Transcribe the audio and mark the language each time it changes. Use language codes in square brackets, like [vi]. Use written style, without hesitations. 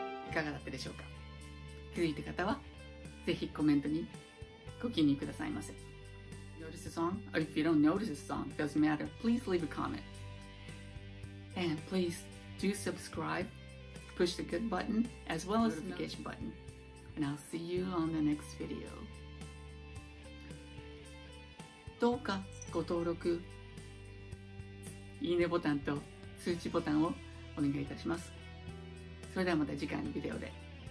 [ja] いかがだったでしょうか。気づいた方はぜひコメントにご記入くださいませ。 [en] Notice the song, or if you don't notice the song, doesn't matter. Please leave a comment. And please do subscribe, push the good button, as well as the notification button. And I'll see you on the next video. [ja] どうかご登録、いいねボタンと通知ボタンをお願いいたします。それではまた次回のビデオで。